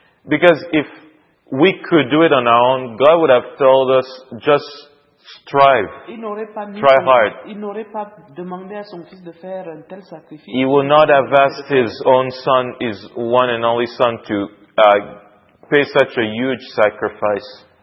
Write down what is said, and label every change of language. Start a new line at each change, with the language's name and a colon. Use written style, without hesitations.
English: Because if we could do it on our own, God would have told us, just strive.
French: Il n'aurait pas mis
English: try hard.
French: Il n'aurait pas demandé à son fils de faire un tel sacrifice.
English: He would not have asked his own son, his one and only son, to pay such a huge sacrifice.